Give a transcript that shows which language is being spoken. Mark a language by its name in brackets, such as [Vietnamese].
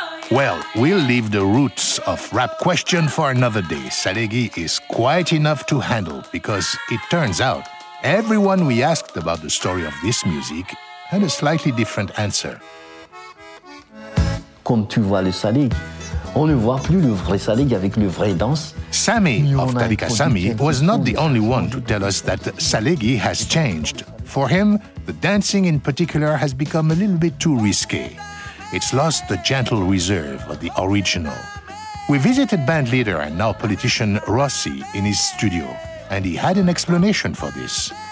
[English] Well, we'll leave the roots of rap question for another day. Salegi is quiet enough to handle because it turns out everyone we asked about the story of this music had a slightly different answer. [French] Comme tu vois le Salegi, on ne voit plus le vrai Salegi avec le vrai danse. [English] Sammy of Tarika Sammy was not the only one to tell us that Salegi has changed. For him, the dancing in particular has become a little bit too risque. It's lost the gentle reserve of the original. We visited band leader and now politician Rossi in his studio, and he had an explanation for this.